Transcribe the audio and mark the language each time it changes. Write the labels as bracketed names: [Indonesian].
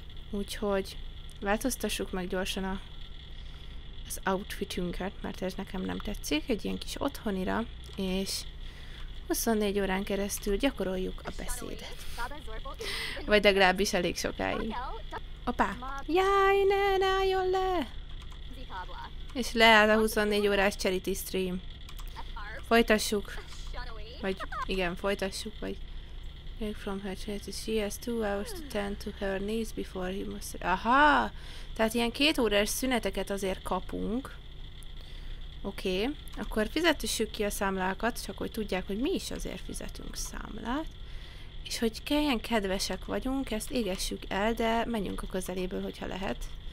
[Hungarian] Úgyhogy változtassuk meg gyorsan az outfitünket, mert ez nekem nem tetszik, egy ilyen kis otthonira, és 24 órán keresztül gyakoroljuk a beszédet. Vagy legalábbis elég sokáig. Opa! Jaj, ne, ne álljon le! És leáll a 24 órás charity stream. Folytassuk. Vagy igen, folytassuk, vagy... [English] Take from her charity. She has 2 hours to tend to her knees before he must... Aha! [Hungarian] Tehát ilyen 2 órás szüneteket azért kapunk. Oké. Akkor fizetessük ki a számlákat, csak hogy tudják, hogy mi is azért fizetünk számlát. És hogy ilyen kedvesek vagyunk, ezt égessük el, de menjünk a közeléből, hogyha lehet.